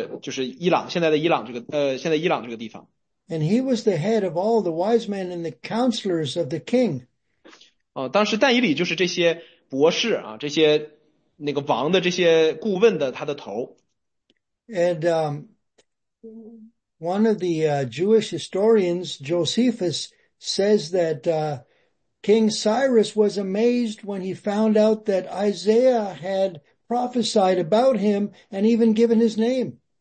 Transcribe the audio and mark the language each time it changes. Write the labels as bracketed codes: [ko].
[zh] 那但以理就是神的那个神的先知啊，他就住在这个波西地，就是伊朗现在的伊朗这个地方。 [en] And he was the head of all the wise men and the counselors of the king. [zh] 当时但以理就是这些博士啊，这些那个王的这些顾问的他的头。And [en] one of the Jewish historians, Josephus, says that King Cyrus was amazed when he found out that Isaiah had prophesied about him and even given his name.